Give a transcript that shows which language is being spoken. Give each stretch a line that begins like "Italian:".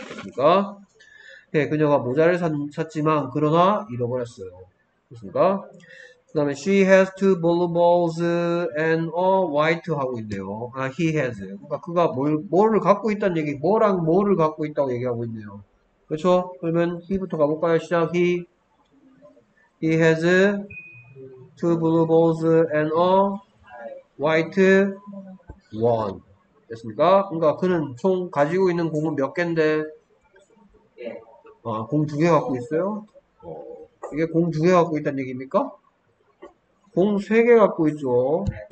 Korean: 그러니까 네, 그녀가 모자를 샀지만 그러나 잃어버렸어요. 그렇습니까? 그다음에
English: she has two blue balls and a white
Korean: 하고 있네요. 아,
English: he has.
Korean: 그러니까 그가 뭐를 갖고 있다는 얘기, 뭐랑 뭐를 갖고 있다고 얘기하고 있네요. 그렇죠? 그러면 he부터 가볼까요? 시작.
English: He has two blue balls and a white one.
Korean: 됐습니까? 그러니까 그는 총 가지고 있는 공은 몇 갠데? 아, 공두개 갖고 있어요? 이게 공두개 갖고 있다는 얘기입니까? 공세개 갖고 있죠.